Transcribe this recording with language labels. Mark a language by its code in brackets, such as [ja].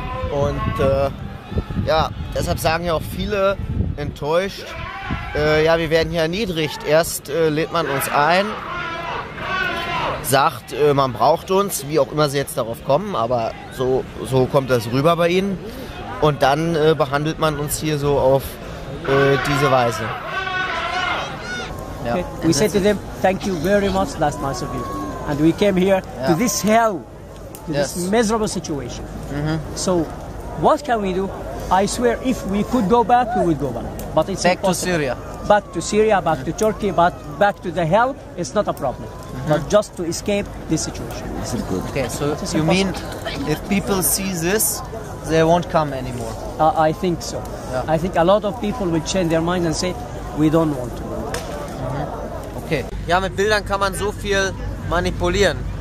[de] Und ja, deshalb sagen ja auch viele enttäuscht, ja, wir werden hier erniedrigt. Erst lädt man uns ein, sagt, man braucht uns, wie auch immer sie jetzt darauf kommen, aber so kommt das rüber bei ihnen. Und dann behandelt man uns hier so auf diese Weise. Ja. Okay. [en] We said to them, thank you very much, last month of you. And we came here to this hell, to this miserable situation. Mm-hmm. So, what can we do? I swear, if we could go back, we would go back. But it's back to Syria. Back to Syria, back to Turkey, but back to the hell, it's not a problem. Mm-hmm. But just to escape this situation. Is it good? Okay, so you mean if people see this, they won't come anymore? I think so. Yeah. I think a lot of people will change their mind and say, we don't want to go back. Mm-hmm. Okay. [de] Ja, mit Bildern kann man so viel manipulieren.